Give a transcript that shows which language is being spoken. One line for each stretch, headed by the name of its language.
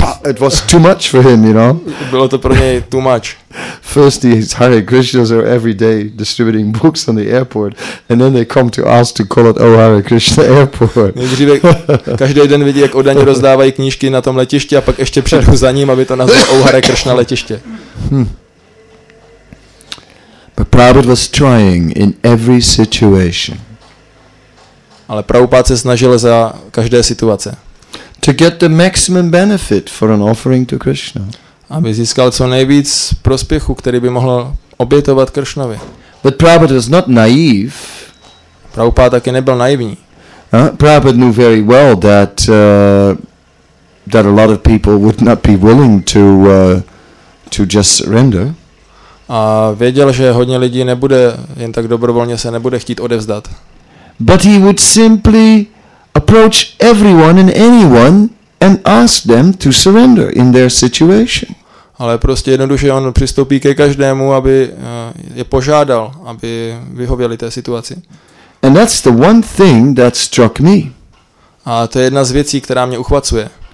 English: It was too much for him, you know.
Czech: Bylo to pro něj
English: too much. First these Hare Krishnas are every day distributing books on the airport, and then they come to us to call it Oh Hare Krishna Airport.
Czech: Nejdříve každý den vidí, jak oddaní rozdávají knížky na tom letišti, a pak ještě přijdu za ním, aby to nazval Oh Hare Krishna letiště.
English: But Prabhupada was trying in every situation.
Czech: Ale Prabhupada se snažil za každé situace.
English: To get the maximum benefit for an offering to Krishna.
Czech: Aby získal co nejvíc prospěchu, který by mohl obětovat Kršnovi.
English: But Prabhupada was not naive.
Czech: Prabhupada taky nebyl naivní.
English: Prabhupada knew very well that that a lot of people would not be willing to just surrender.
Czech: A věděl, že hodně lidí nebude jen tak dobrovolně se nebude chtít odevzdat.
English: But he would simply approach everyone and anyone and ask them to surrender in their situation.
Czech: Ale prostě jednoduše on přistoupí ke každému, aby je požádal, aby vyhověli té situaci.
English: And that's the one thing that struck me.
Czech: A to je jedna z věcí, která mě uchvacuje.